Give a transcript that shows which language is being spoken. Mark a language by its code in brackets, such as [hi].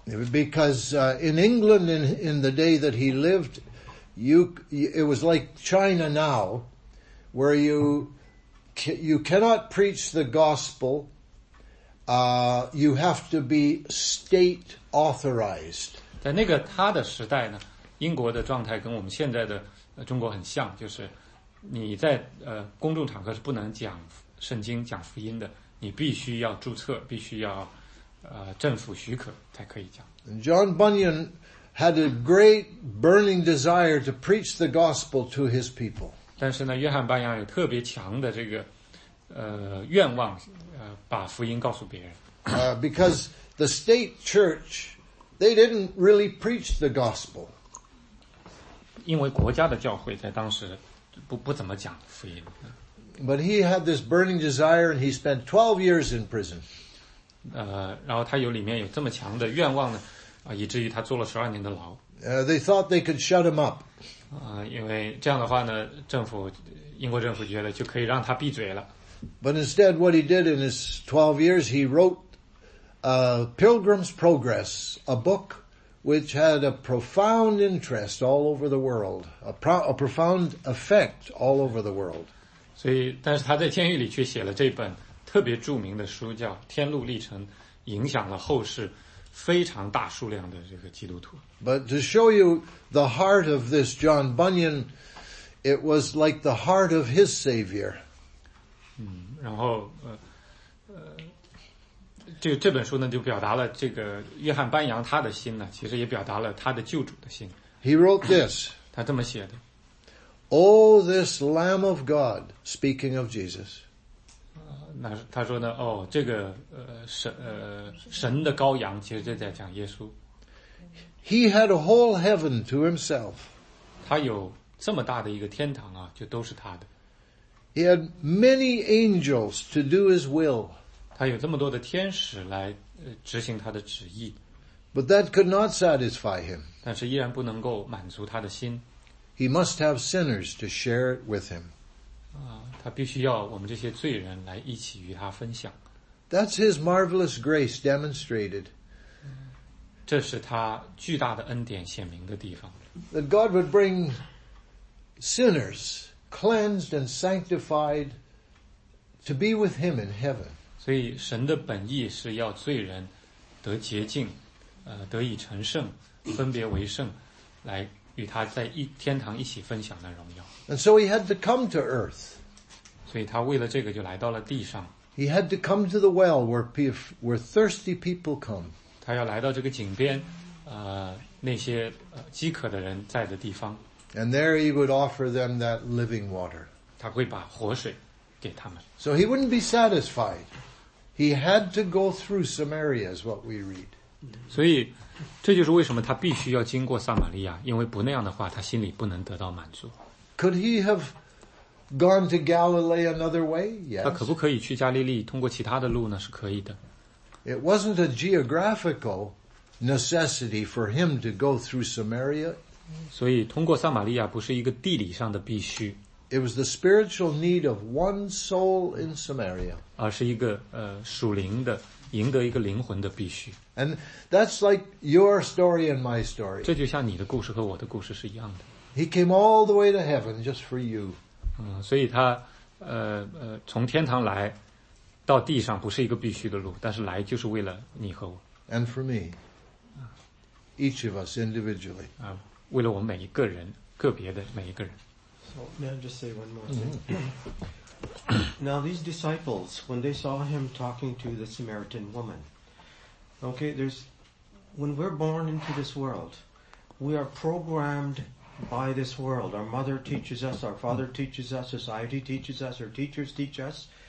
[en] Because in England, in the day that he lived, it was like China now, where you cannot preach the gospel, you have to be state authorized. [zh] 在那个他的时代呢，英国的状态跟我们现在的中国很像，就是你在公众场合是不能讲圣经、讲福音的，你必须要注册，必须要政府许可才可以讲。 [en] John Bunyan had a great burning desire to preach the gospel to his people. [zh] 但是呢，约翰班扬有特别强的这个愿望，把福音告诉别人。 [en] Because the state church, they didn't really preach the gospel. [zh] 因为国家的教会在当时不怎么讲福音。 [en] But he had this burning desire, and he spent 12 years in prison. [zh] 然后他有里面有这么强的愿望呢，以至于他坐了十二年的牢。 [en] They thought they could shut him up. [zh] 因为这样的话呢，政府，英国政府觉得就可以让他闭嘴了。 [en] But instead, what he did in his 12 years, he wrote Pilgrim's Progress, a book which had a profound interest all over the world, a profound effect all over the world. [zh] 所以，但是他在监狱里却写了这本特别著名的书，叫《天路历程》，影响了后世。非常大数量的这个基督徒。 [en] But to show you the heart of this John Bunyan, it was like the heart of his Savior. [zh] 然后这本书呢就表达了这个约翰班扬他的心呢，其实也表达了他的救主的心。 [en] He wrote this. [zh] 他这么写的。 [en] Oh, this Lamb of God, speaking of Jesus. [zh] 他说呢，哦，这个神的羔羊，其实就在讲耶稣。 [en] He had a whole heaven to himself. [zh] 他有这么大的一个天堂啊，就都是他的。 [en] He had many angels to do his will. [zh] 他有这么多的天使来执行他的旨意。 [en] But that could not satisfy him. [zh] 但是依然不能够满足他的心。 [en] He must have sinners to share it with him. [zh] 他必须要我们这些罪人来一起与他分享。 [en] That's his marvelous grace demonstrated. [zh] 这是他巨大的恩典显明的地方。 [en] That God would bring sinners cleansed and sanctified to be with him in heaven. [zh] 所以神的本意是要罪人得洁净，得以成圣，分别为圣，来与他在天堂一起分享那荣耀。 [en] And so he had to come to earth. [zh] 所以他为了这个就来到了地上。 [en] He had to come to the well where thirsty people come. [zh] 他要来到这个井边，那些饥渴的人在的地方。 [en] And there he would offer them that living water. [zh] 他会把活水给他们。 [en] So he wouldn't be satisfied. He had to go through Samaria, is what we read. [zh] 所以这就是为什么他必须要经过撒玛利亚，因为不那样的话，他心里不能得到满足。 [en] Could he have? Gone to Galilee another way? Yes. [zh] 他可不可以去加利利通过其他的路呢？是可以的。 [en] It wasn't a geographical necessity for him to go through Samaria. [zh] 所以通过撒玛利亚不是一个地理上的必须。 [en] It was the spiritual need of one soul in Samaria. [zh] 而是一个属灵的赢得一个灵魂的必须。 [en] And that's like your story and my story. [zh] 这就像你的故事和我的故事是一样的。 [en] He came all the way to heaven just for you. [zh] 所以他从天堂来到地上不是一个必须的路，但是来就是为了你和我。 [en] And for me, each of us individually. [zh] 为了我们每一个人，个别的每一个人。 [en] So, may I just say one more thing? Now, these disciples, when they saw him talking to the Samaritan woman, okay, there's, when we're born into this world, we are programmed by this world. Our mother teaches us, our father teaches us, society teaches us, our teachers teach us.